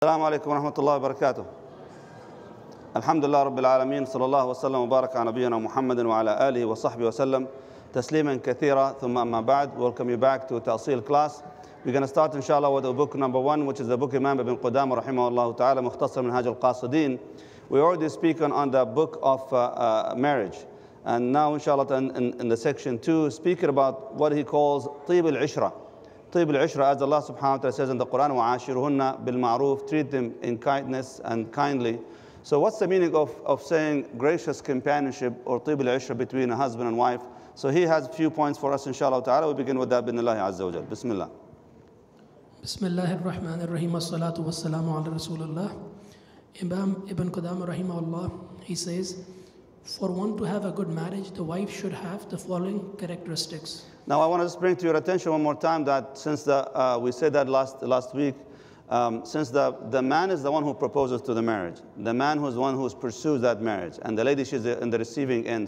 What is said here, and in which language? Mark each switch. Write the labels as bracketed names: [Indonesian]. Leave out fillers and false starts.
[Arabic] السلام عليكم ورحمة الله وبركاته. الحمد لله رب العالمين، صلى الله وسلم وبارك على نبينا محمد وعلى آله وصحبه وسلم تسليما كثيرا. ثم أما بعد، [English] welcome you back to تأصيل class. We're going to start inshallah with the book number one, which is the book Imam Ibn Qudamah [Arabic] رحمه الله تعالى [English] مختصر منهاج القاصدين. We already speaking on the book of marriage. And now inshallah in the section two, speaking about what he calls طيب العشرة. طيب العشرة, as Allah subhanahu wa ta'ala says in the Quran, [Arabic] وعاشرهن بالمعروف, [English] treat them in kindness and kindly. So what's the meaning of saying gracious companionship or طيب العشرة between a husband and wife? So he has a few points for us inshallah ta'ala. We begin with that [Arabic] بإذن الله عز وجل. بسم الله. بسم الله الرحمن الرحيم, الصلاة والسلام على رسول الله. [English] Imam Ibn Qudamah rahimahullah, he says, for one to have a good marriage, the wife should have the following characteristics. Now I want to just bring to your attention one more time that since the we said that last week, since the man is the one who proposes to the marriage, the man who is the one who pursues that marriage, and the lady, she's in the receiving end.